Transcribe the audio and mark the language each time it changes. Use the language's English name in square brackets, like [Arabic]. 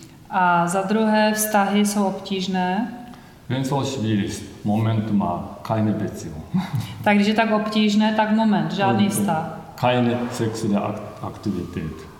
[Czech] A za druhé, vztahy jsou obtížné. [German] Wenn so schwierig ist, Moment mal, keine Beziehung. [Czech] Tak když je tak obtížné, tak Moment, žádný vztah. [German] Keine sexuelle Aktivität.